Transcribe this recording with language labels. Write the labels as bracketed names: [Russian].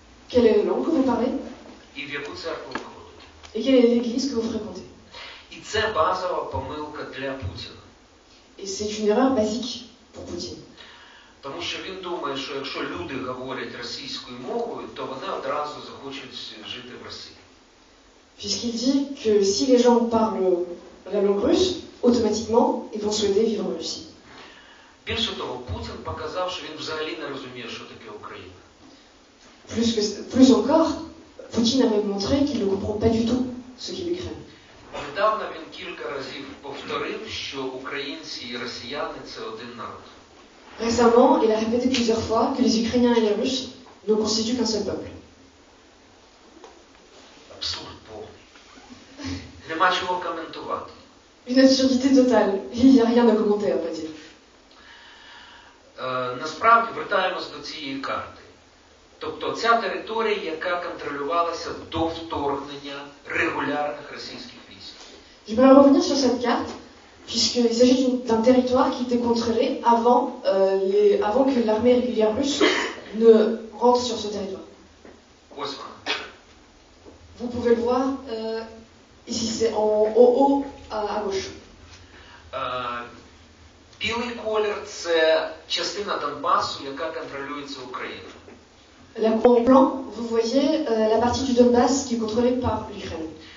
[French] Quelle est la langue que vous parlez? [Ukrainian] І в яку церкву ви ходите? [French] Et quelle est l'église que vous fréquentez? [Ukrainian] І це базова помилка для Путіна. [French] Et c'est une erreur basique pour Poutine. [Ukrainian] Тому що він думає, що якщо люди говорять російською мовою, то вони одразу захочуть жити в Росії. [French] Puisqu'il dit que si les gens parlent la langue russe, automatiquement ils vont souhaiter vivre en Russie. [Ukrainian] Більше того, Путін показав, що він взагалі не розуміє, що таке Україна. [French] Plus encore, Poutine a même montré qu'il ne comprend pas du tout ce qu'il Ukraine. [Ukrainian] Недавно він кілька разів повторив, що українці і росіяни – це один народ. [French] Récemment, il a répété plusieurs fois que les Ukrainiens et les Russes ne constituent qu'un seul peuple. [Ukrainian] Абсурд повний. Нема чого коментувати. [French] Une absurdité totale. Il n'y a rien à commenter, on va dire. [Ukrainian] Насправді, вертаємось до цієї карти. Тобто ця територія, яка контролювалася до вторгнення регулярних російських. [French] Je vais revenir sur cette carte, puisqu'il s'agit d'un territoire qui était contrôlé avant que l'armée régulière russe ne rentre sur ce territoire. Kosma. Vous pouvez le voir, ici c'est en haut à gauche. [Ukrainian] Білий колір – це частина Донбасу, яка контролюється Україною. [French] La couleur blanc, vous voyez la partie du Donbass qui est contrôlée par l'Ukraine.